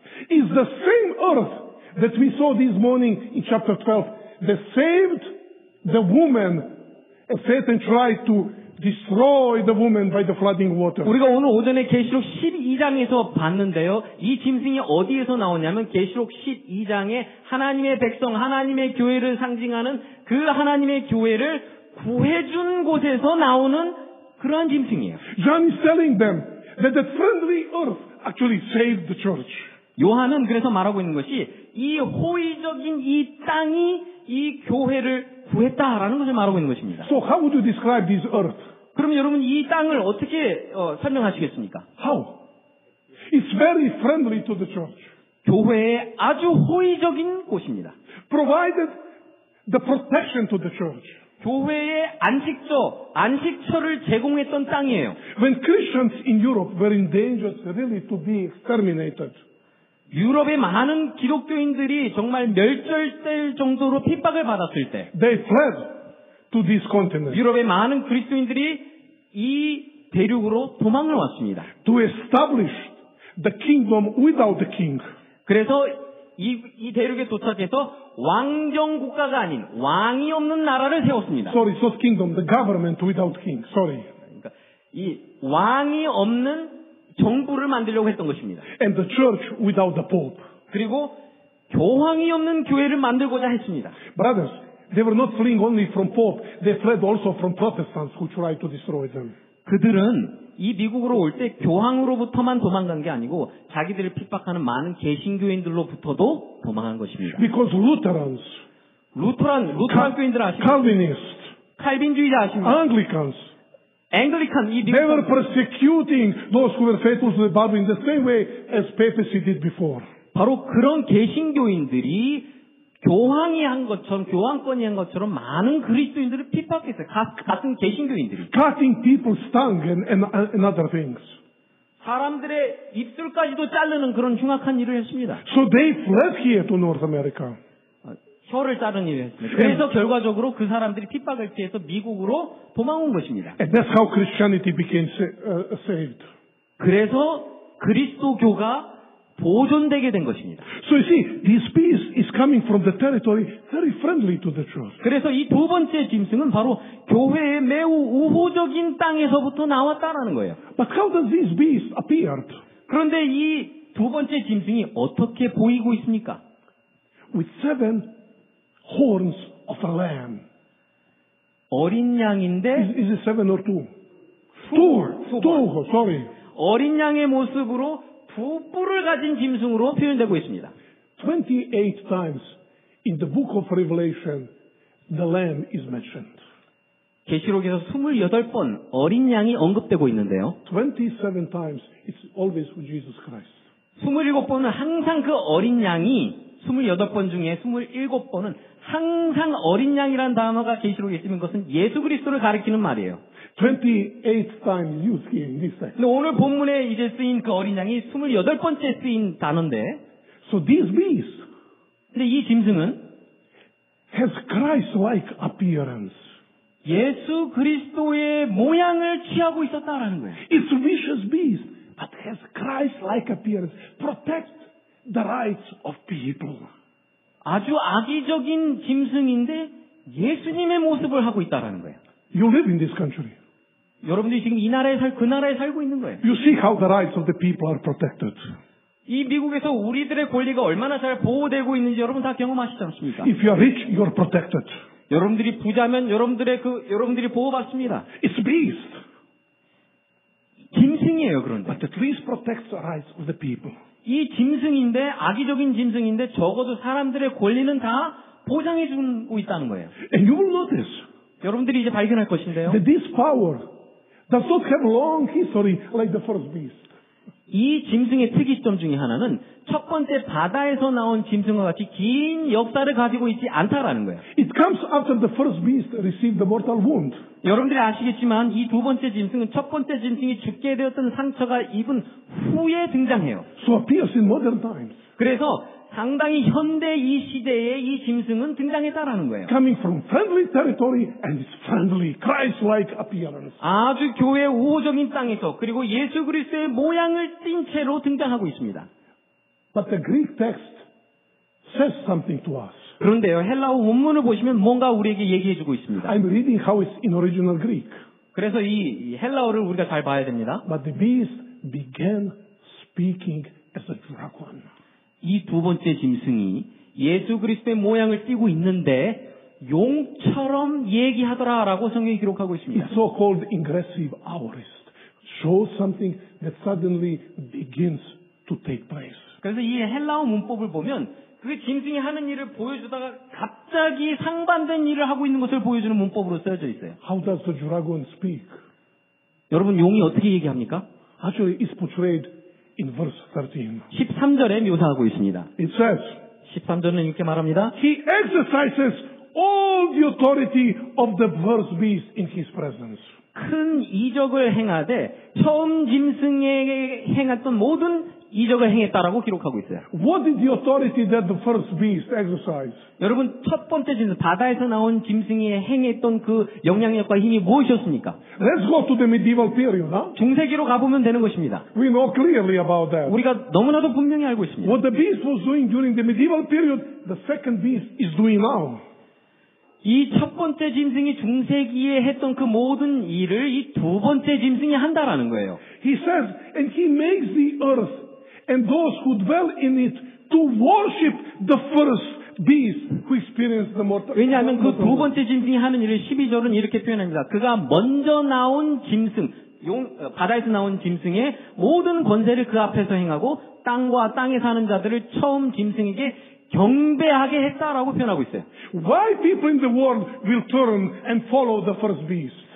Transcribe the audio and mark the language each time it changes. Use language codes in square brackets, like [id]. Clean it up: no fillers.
[en] Is the same earth that we saw this morning in chapter 12 that saved the woman and Satan tried to destroy the woman by the flooding water. [ko] 우리가 오늘 오전에 계시록 12장에서 봤는데요. 이 짐승이 어디에서 나오냐면 계시록 12장에 하나님의 백성, 하나님의 교회를 상징하는 그 하나님의 교회를 구해준 곳에서 나오는 그러한 짐승이에요. [en] John is telling them that the friendly earth actually saved the church. [ko] 요한은 그래서 말하고 있는 것이 이 호의적인 이 땅이 이 교회를 구했다라는 것을 말하고 있는 것입니다. [en] So how would you describe this earth? [ko] 그럼 여러분 이 땅을 어떻게 설명하시겠습니까? [en] How? It's very friendly to the church. [ko] 교회에 아주 호의적인 곳입니다. [en] Provided the protection to the church. [ko] 교회의 안식처, 안식처를 제공했던 땅이에요. [en] When Christians in Europe were in danger really to be exterminated. [ko] 유럽의 많은 기독교인들이 정말 멸절될 정도로 핍박을 받았을 때 [en] they fled to this continent. [ko] 유럽의 많은 그리스도인들이 이 대륙으로 도망을 왔습니다. [en] To establish the kingdom without the king. [ko] 그래서 이 대륙에 도착해서 왕정 국가가 아닌 왕이 없는 나라를 세웠습니다. [en] Sorry, so kingdom, the government without king. Sorry. [ko] 그러니까 이 왕이 없는 정부를 만들려고 했던 것입니다. [en] And the church without the pope. [ko] 그리고 교황이 없는 교회를 만들고자 했습니다. [en] Brothers, they were not fleeing only from pope. They fled also from Protestants who tried to destroy them. [ko] 그들은 이 미국으로 올 때 교황으로부터만 도망간 게 아니고 자기들을 핍박하는 많은 개신교인들로부터도 도망한 것입니다. [en] Because Lutherans, [ko] 루터란 교인들 아십니까? [en] Calvinists, [ko] 칼빈주의자 아십니까? [en] Anglicans, [ko] 앵글리칸 이 [en] 미국. They were persecuting those who were faithful to the Bible in the same way as papacy did before. [ko] 바로 그런 개신교인들이 교황이 한 것처럼 교황권이 한 것처럼 많은 그리스도인들을 핍박했어요. 같은 개신교인들이. [en] Cutting people's tongue and other things. [ko] 사람들의 입술까지도 자르는 그런 흉악한 일을 했습니다. [en] So they fled here to North America. [ko] 혀를 자른 일을 했습니다. 그래서 결과적으로 그 사람들이 핍박을 피해서 미국으로 도망온 것입니다. [en] And that's how Christianity became saved. [ko] 그래서 그리스도교가 보존되게 된 것입니다. [en] So you see, this beast is coming from the territory very friendly to the church. [ko] 그래서 이 두 번째 짐승은 바로 교회의 매우 우호적인 땅에서부터 나왔다라는 거예요. [en] But how does this beast appear? [ko] 그런데 이 두 번째 짐승이 어떻게 보이고 있습니까? [en] With seven horns of a lamb. [ko] 어린 양인데 [en] is it seven or two? Two. Sorry. [ko] 어린 양의 모습으로 두 뿔을 가진 짐승으로 표현되고 있습니다. [en] 28 times in the book of Revelation the lamb is mentioned. [ko] 계시록에서 28번 어린 양이 언급되고 있는데요. [en] 27 times it's always with Jesus Christ. [ko] 27번은 항상 그 어린 양이 28번 중에 27번은 항상 어린 양이라는 단어가 계시록에 쓰인 것은 예수 그리스도를 가리키는 말이에요. [en] 28 times used here in this text. [ko] 근데 오늘 본문에 이제 쓰인 그 어린 양이 28번째 쓰인 단어인데 [en] So this beast [ko] 근데 이 짐승은 [en] has Christ-like appearance. [ko] 예수 그리스도의 모양을 취하고 있었다라는 거예요. [en] It's a vicious beast, but has Christ-like appearance. Protect the rights of people. [ko] 아주 악의적인 짐승인데 예수님의 모습을 하고 있다라는 거예요. [en] You live in this country. [ko] 여러분들이 지금 이 나라에 살 그 나라에 살고 있는 거예요. [en] You see how the rights of the people are protected. [ko] 이 미국에서 우리들의 권리가 얼마나 잘 보호되고 있는지 여러분 다 경험하시지 않습니까? [en] If you are rich, you are protected. [ko] 여러분들이 부자면 여러분들의 그 여러분들이 보호받습니다. [en] It's a beast. [ko] 짐승이에요, 그런데. [en] But at least protects the rights of the people. [ko] 이 짐승인데 악의적인 짐승인데 적어도 사람들의 권리는 다 보장해 주고 있다는 거예요. [en] And you will notice. [ko] 여러분들이 이제 발견할 것인데요. [en] That this power does not have long history like the first beast. [ko] 이 짐승의 특이점 중에 하나는 첫 번째 바다에서 나온 짐승과 같이 긴 역사를 가지고 있지 않다라는 거예요. [en] It comes after the first beast received the mortal wound. [ko] 여러분들이 아시겠지만 이 두 번째 짐승은 첫 번째 짐승이 죽게 되었던 상처가 입은 후에 등장해요. [en] So appears in modern times. [ko] 그래서 상당히 현대 이 시대에 이 짐승은 등장했다라는 거예요. [en] Coming from friendly territory and its friendly Christ-like appearance. [ko] 아주 교회 우호적인 땅에서 그리고 예수 그리스도의 모양을 띈 채로 등장하고 있습니다. [en] But the Greek text says something to us. [ko] 그런데요, 헬라어 원문을 보시면 뭔가 우리에게 얘기해 주고 있습니다. [en] I'm reading how it's in original Greek. [ko] 그래서 이 헬라어를 우리가 잘 봐야 됩니다. [en] But the beast began speaking as a dragon. [ko] 이 두 번째 짐승이 예수 그리스도의 모양을 띠고 있는데 용처럼 얘기하더라라고 성경이 기록하고 있습니다. [en] It's so-called aggressive aorist shows something that suddenly begins to take place. [ko] 그래서 이 헬라어 문법을 보면 그게 짐승이 하는 일을 보여주다가 갑자기 상반된 일을 하고 있는 것을 보여주는 문법으로 쓰여져 있어요. [en] How does the dragon speak? [ko] 여러분 용이 어떻게 얘기합니까? [en] Actually, it's portrayed. In verse 13. [ko] 13절에 묘사하고 있습니다. [en] It says, [ko] 13절은 이렇게 말합니다. [en] He exercises all the authority of the first beast in his presence. [ko] 큰 이적을 행하되 처음 짐승에게 행했던 모든 이적을 행했다라고 기록하고 있어요. [en] What is the authority that the first beast exercised? [ko] 여러분 첫 번째 짐승 바다에서 나온 짐승이 행했던 그 영향력과 힘이 무엇이었습니까? [en] Let's go to the medieval period. Huh? [ko] 중세기로 가보면 되는 것입니다. [en] We know clearly about that. [ko] 우리가 너무나도 분명히 알고 있습니다. [en] What the beast was doing during the medieval period, the second beast is doing now. [ko] 이 첫 번째 짐승이 중세기에 했던 그 모든 일을 이 두 번째 짐승이 한다라는 거예요. [en] He says and he makes the earth and those who dwell in it to worship the first beast who experienced the mortal. [ko] 왜냐하면 그 두 번째 짐승이 하는 일을 12절은 이렇게 표현합니다. 그가 먼저 나온 짐승, 바다에서 나온 짐승의 모든 권세를 그 앞에서 행하고 땅과 땅에 사는 자들을 처음 짐승에게 경배하게 했다라고 표현하고 있어요. [en] Why people in the world will turn and follow the first beast?